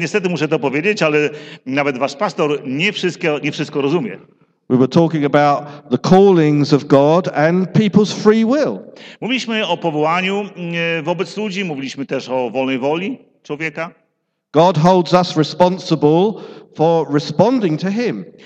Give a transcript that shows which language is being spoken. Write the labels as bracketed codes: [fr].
[pl] muszę to powiedzieć, ale nawet wasz pastor nie wszystko rozumie. [en] We were talking about the callings of God and people's free will. [pl] Mówiliśmy o powołaniu wobec ludzi, mówiliśmy też o wolnej woli człowieka. [en] God holds us responsible for responding to him.